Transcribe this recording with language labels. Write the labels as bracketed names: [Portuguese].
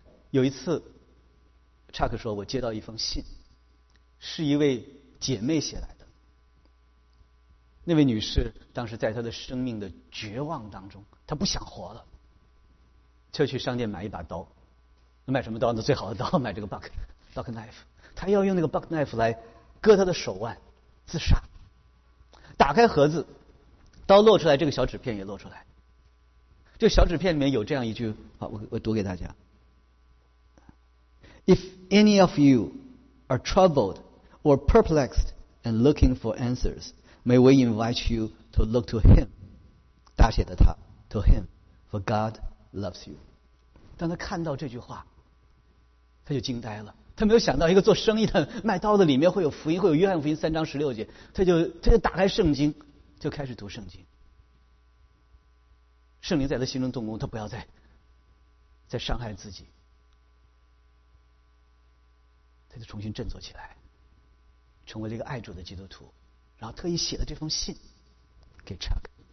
[Chinese] 有一次查克说，我接到一封信，是一位姐妹写来的，那位女士当时在她的生命的绝望当中，她不想活了，就去商店买一把刀，买什么刀呢？最好的刀，买这个 buck knife， 他要用那个 buck knife 来割他的手腕自杀。打开盒子，刀露出来，这个小纸片也露出来，这个小纸片里面有这样一句，好，我读给大家。 [English] If any of you are troubled or perplexed and looking for answers, may we invite you to look to him， [Chinese] 大写的他， [English] to him， for God loves you。 [Chinese] 当他看到这句话，他就惊呆了，他没有想到一个做生意的卖刀的里面会有福音，会有约翰福音三章十六节，他就打开圣经，就开始读圣经。圣灵在他心中动工，他不要再伤害自己，他就重新振作起来，成为了一个爱主的基督徒，然后特意写了这封信给查克。